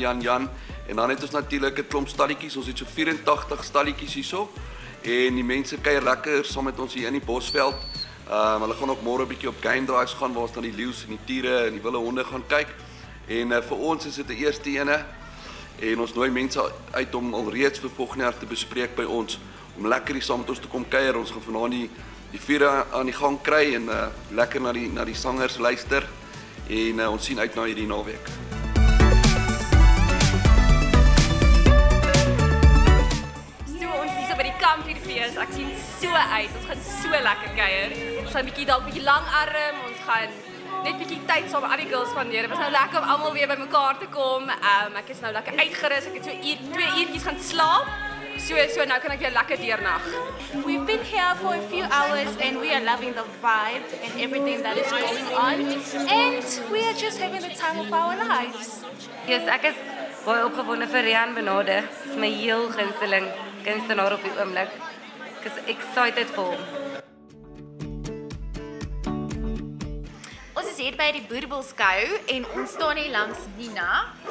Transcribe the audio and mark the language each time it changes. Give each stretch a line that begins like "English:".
Afrikaans: En dan het ons natuurlik 'n klomp stalletjies, ons het so 84 stalletjies hierso. En die mense kuier lekker saam met ons hier in die bosveld. Hulle gaan ook môre 'n bietjie op game drives gaan waar ons dan die leeu's en die tiere en die wilde honde gaan kyk. En vir ons is dit die eerste ene. En ons nooi mense uit om alreeds vir volgende jaar te bespreek by ons. Om lekker hier saam met ons te kom kuier. Ons gaan vanaand die vuur aan die gang kry en lekker na die sangers luister en ons sien uit na hierdie naweek. So ons is so by die Kampvuurfees. Ek sien so uit. Ons gaan so lekker kuier. Ons gaan bietjie dalk bietjie langarm. Ons gaan net bietjie tyd saam met al die girls spandeer. Dit was nou lekker om almal weer bymekaar te kom. Ek is nou lekker uitgerus. Ek het so 2 uurtjies gaan slaap. So nou kan ek jou lekker deernag.
English: We've been here for a few hours and we are loving the vibe and everything that is going on. And we are just having the time of our lives.
Afrikaans: Yes, ek is baie opgewonde vir Rian Benade. Dis my heel gunsteling kunstenaar op die oomblik. Ek is
English: excited for him.
Afrikaans: Ons is hier by die Boerbelskou en ons staan hier langs Nina.